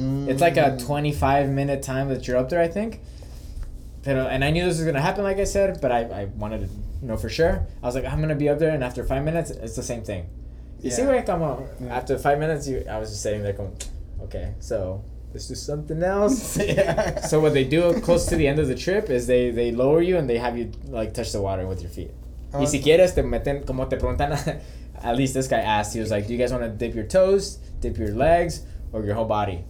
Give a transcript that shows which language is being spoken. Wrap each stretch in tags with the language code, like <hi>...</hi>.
<en>It's like a 25-minute time that you're up there, I think. Pero, and I knew this was gonna happen, like I said, but I wanted to know for sure. I was like, I'm gonna be up there, and after 5 minutes, it's the same thing. You see, where come on. Yeah. After 5 minutes, I was just sitting there, come on. Okay, so let's do something else. So what they do close to the end of the trip is they lower you and they have you like touch the water with your feet.</en> <es>Y si quieres te meten como te preguntan.</es> <en>At least this guy asked. He was like, do you guys want to dip your toes, dip your legs, or your whole body?</en>